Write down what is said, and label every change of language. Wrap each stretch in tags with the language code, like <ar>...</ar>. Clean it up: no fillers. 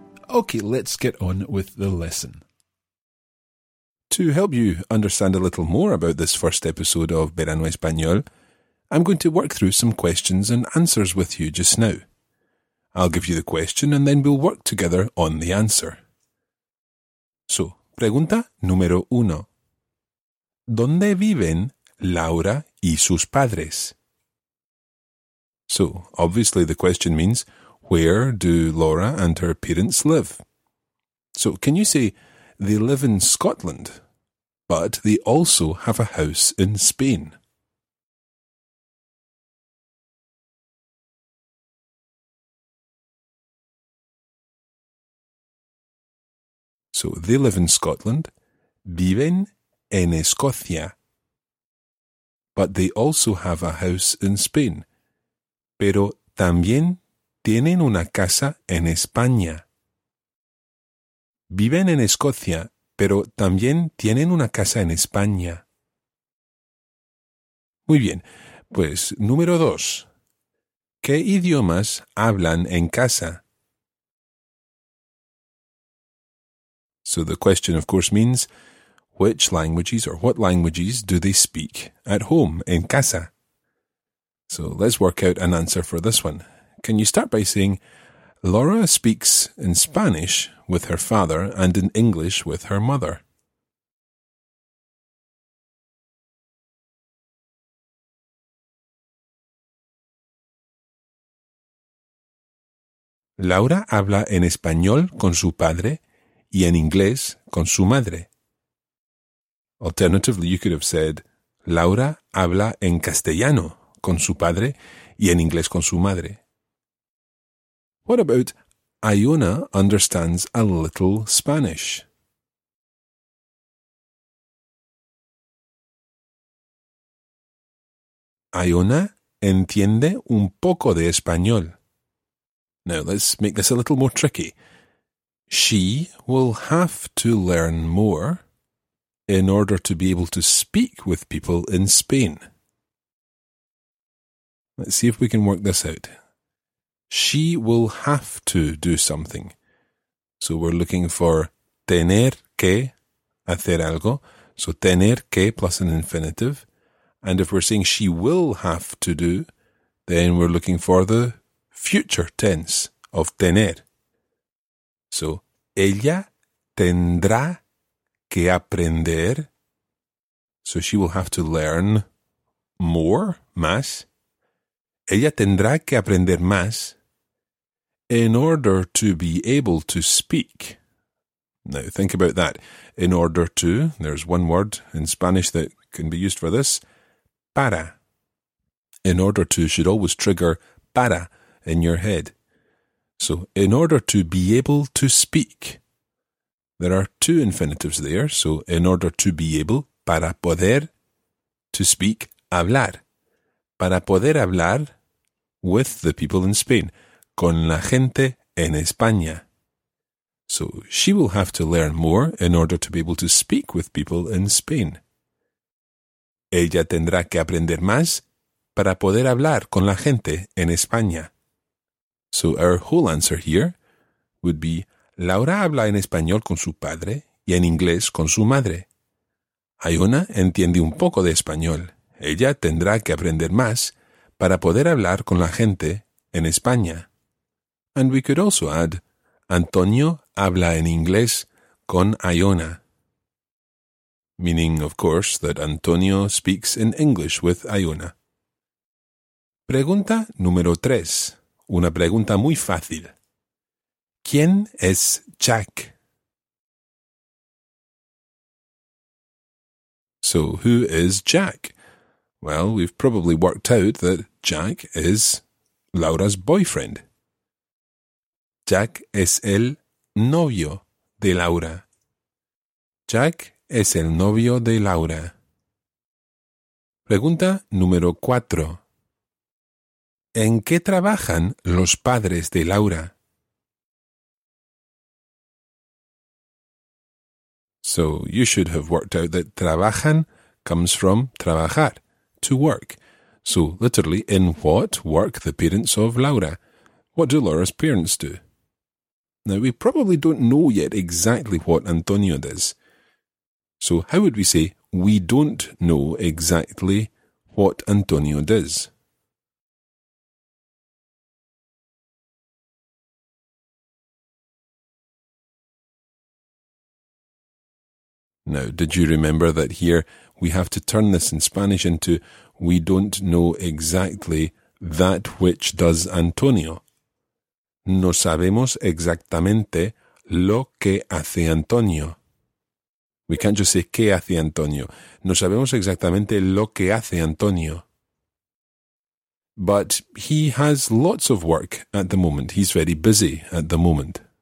<en>Okay, let's get on with the lesson. To help you understand a little more about this first episode of Verano Español, I'm going to work through some questions and answers with you just now. I'll give you the question and then we'll work together on the answer.</en> <es>So, pregunta número uno. ¿Dónde viven Laura y sus padres?</es> <en>So, obviously the question means, where do Laura and her parents live? So, can you say, they live in Scotland, but they also have a house in Spain? So, they live in Scotland,</en> <es>viven en Escocia,</es> <en>but they also have a house in Spain.</en> <es>Pero también tienen una casa en España. Viven en Escocia, pero también tienen una casa en España. Muy bien, pues número dos. ¿Qué idiomas hablan en casa?</es> <en>So the question of course means, which languages or what languages do they speak at home,</en> <es>en casa?</es> <en>So let's work out an answer for this one. can you start by saying, Laura speaks in Spanish with her father and in English with her mother?</en> <es>Laura habla en español con su padre y en inglés con su madre.</es> <en>Alternatively, you could have said,</en> <es>Laura habla en castellano con su padre y en inglés con su madre.</es> <en>What about Iona understands a little Spanish?</en> <es>Iona entiende un poco de español.</es> <en>Now, let's make this a little more tricky. She will have to learn more in order to be able to speak with people in Spain. Let's see if we can work this out. She will have to do something. So we're looking for</en> <es>tener que hacer algo.</es> <en>So tener que plus an infinitive. And if we're saying she will have to do, then we're looking for the future tense of tener.</en> <es>So ella tendrá que aprender.</es> <en>So she will have to learn more, más.</en> <es>Ella tendrá que aprender más</es> <en>in order to be able to speak. Now think about that. In order to, there's one word in Spanish that can be used for this. Para. In order to should always trigger para in your head. So, in order to be able to speak. There are two infinitives there. So, in order to be able,</en> <es>para poder,</es> <en>to speak, hablar.</en> <es>Para poder hablar</es> <en>with the people in Spain.</en> <es>Con la gente en España.</es> <en>So, she will have to learn more in order to be able to speak with people in Spain.</en> <es>Ella tendrá que aprender más para poder hablar con la gente en España.</es> <en>So our whole answer here would be,</en> <es>Laura habla en español con su padre y en inglés con su madre. Iona entiende un poco de español. Ella tendrá que aprender más para poder hablar con la gente en España.</es> <en>And we could also add, Antonio</en> <es>habla en inglés con</es> <en>Iona. Meaning, of course, that Antonio speaks in English with Iona.</en> <es>Pregunta número 3. Una pregunta muy fácil. ¿Quién es Jack?</es> <en>So, who is Jack? Well, we've probably worked out that Jack is Laura's boyfriend.</en> <es>Jack es el novio de Laura. Jack es el novio de Laura. Pregunta número 4. ¿En qué trabajan los padres de Laura?</es> <en>So, you should have worked out that trabajan comes from trabajar, to work. So, literally, in what work the parents of Laura? What do Laura's parents do? Now, we probably don't know yet exactly what Antonio does. So, how would we say, we don't know exactly what Antonio does? Now, did you remember that here we have to turn this in Spanish into we don't know exactly that which does Antonio?</en> <es>No sabemos exactamente lo que hace Antonio.</es> <en>We can't just say</en> <es>qué hace</es> <en>Antonio.</en> <es>No sabemos exactamente lo que hace Antonio.</es> <en>But he has lots of work at the moment. He's very busy at the moment.</en>